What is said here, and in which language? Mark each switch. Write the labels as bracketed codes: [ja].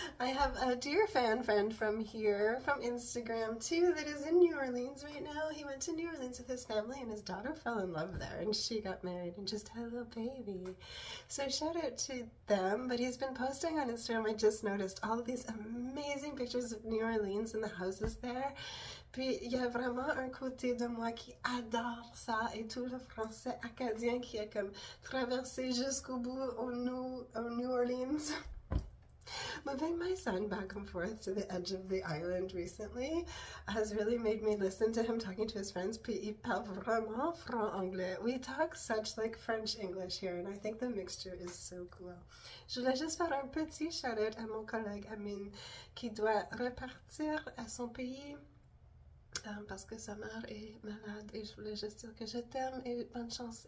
[en] I have a dear fan friend from here, from Instagram, too, that is in New Orleans right now. He went to New Orleans with his family, and his daughter fell in love there, and she got married and just had a little baby. So shout out to them. But he's been posting on Instagram, I just noticed, all of these amazing pictures of New Orleans and the houses there. [fr] Puis il y a vraiment un côté de moi qui adore ça et tout le français acadien qui a comme traversé jusqu'au bout au New Orleans. [en] Moving my son back and forth to the edge of the island recently has really made me listen to him talking to his friends. [fr] Puis il parle vraiment franc anglais. [en] We talk such like French English here, and I think the mixture is so cool. [fr] Je voulais juste faire un petit shout-out à mon collègue Amine qui doit repartir à son pays parce que sa mère est malade. Et je voulais juste dire que je t'aime et bonne chance.